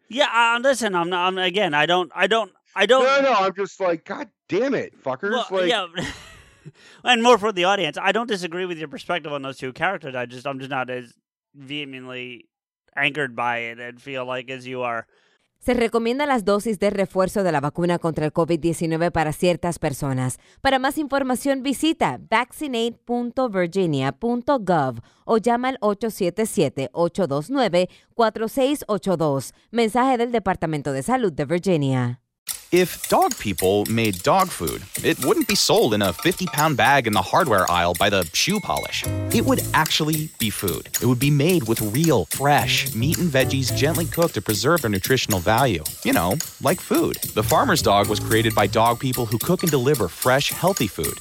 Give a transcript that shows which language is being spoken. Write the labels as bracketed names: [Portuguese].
[English] Yeah, listen, I'm not. No, I'm just like, god damn it, fuckers. Well, like, yeah. And more for the audience, I don't disagree with your perspective on those two characters. I'm just not as vehemently anchored by it and feel like as you are. [Spanish] Se recomienda las dosis de refuerzo de la vacuna contra el COVID-19 para ciertas personas. Para más información, visita vaccinate.virginia.gov o llama al 877-829-4682. Mensaje del Departamento de Salud de Virginia. [English] If dog people made dog food, it wouldn't be sold in a 50-pound bag in the hardware aisle by the shoe polish. It would actually be food. It would be made with real, fresh meat and veggies gently cooked to preserve their nutritional value. You know, like food. The Farmer's Dog was created by dog people who cook and deliver fresh, healthy food.